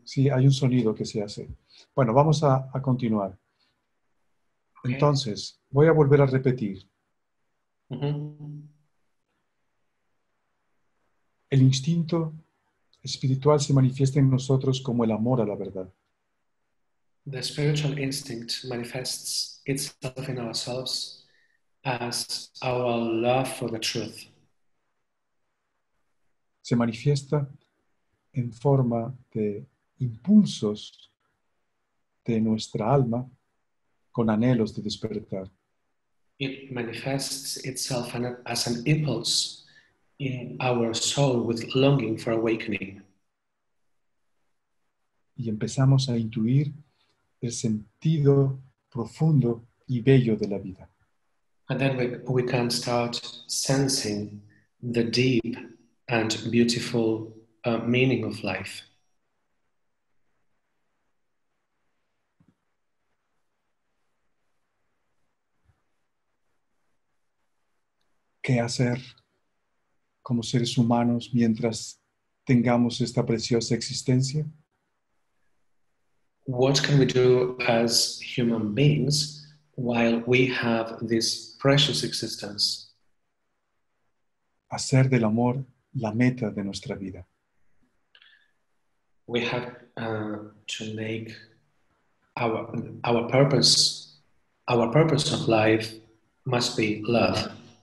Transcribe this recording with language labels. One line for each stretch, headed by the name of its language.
Spanish: Sí, hay un sonido que se hace. Bueno, vamos a continuar.
English: Okay.
Spanish: Entonces, voy a volver a repetir. El instinto espiritual se manifiesta en nosotros como el amor a la verdad.
English: The spiritual instinct manifests itself in ourselves as our love for the truth.
Spanish: Se manifiesta en forma de impulsos de nuestra alma con anhelos de despertar.
English: It manifests itself as an impulse in our soul with longing for awakening.
Spanish: Y empezamos a intuir el sentido profundo y bello de la vida.
English: And then we can start sensing the deep and beautiful meaning of life.
Spanish: ¿Qué hacer como seres humanos mientras tengamos esta preciosa existencia?
English: What can we do as human beings while we have this precious existence?
Spanish: Hacer del amor la meta de nuestra vida.
English: We have to make our purpose of life must be love.